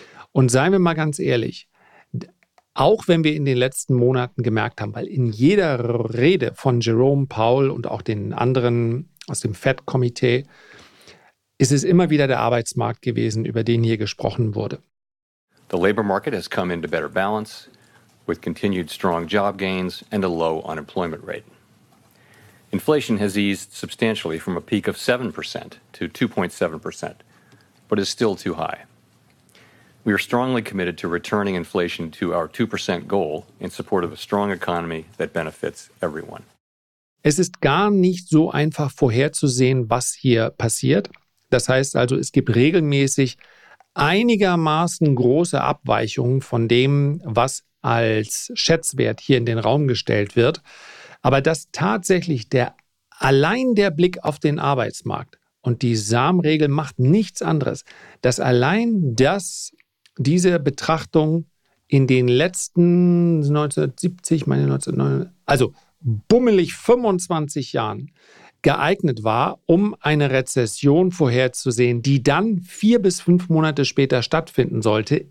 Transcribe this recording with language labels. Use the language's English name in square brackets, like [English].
[German] Und seien wir mal ganz ehrlich, auch wenn wir in den letzten Monaten gemerkt haben, weil in jeder Rede von Jerome Powell und auch den anderen aus dem Fed-Komitee ist es immer wieder der Arbeitsmarkt gewesen, über den hier gesprochen wurde. [English] The labor market has come into better balance with continued strong job gains and a low unemployment rate. Inflation has eased substantially from a peak of 7% to 2.7%, but is still too high. We are strongly committed to returning inflation to our 2% goal in support of a strong economy that benefits everyone. [German] Es ist gar nicht so einfach vorherzusehen, was hier passiert. Das heißt also, es gibt regelmäßig einigermaßen große Abweichungen von dem, was als Schätzwert hier in den Raum gestellt wird. Aber dass tatsächlich allein der Blick auf den Arbeitsmarkt und die SAM-Regel macht nichts anderes, dass allein das diese Betrachtung in den letzten 25 Jahren geeignet war, um eine Rezession vorherzusehen, die dann 4 bis 5 Monate später stattfinden sollte.